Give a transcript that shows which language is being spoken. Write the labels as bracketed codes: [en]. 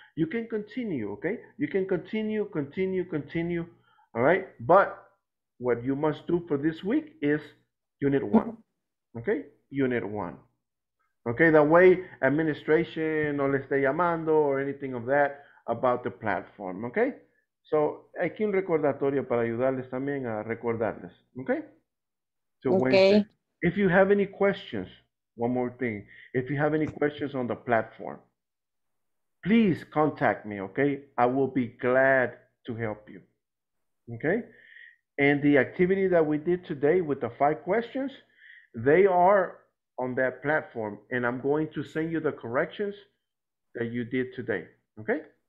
[en] You can continue, okay? You can continue, all right? But what you must do for this week is unit one, okay? Unit one, okay? That way administration [es] no le esté llamando [en] or anything of that about the platform, okay? [es] So, aquí un recordatorio para ayudarles también a recordarles, okay? [en] So okay. Wednesday. If you have any questions, one more thing. If you have any questions on the platform, please contact me, okay? I will be glad to help you, okay? And the activity that we did today with the five questions, they are on that platform, and I'm going to send you the corrections that you did today, okay?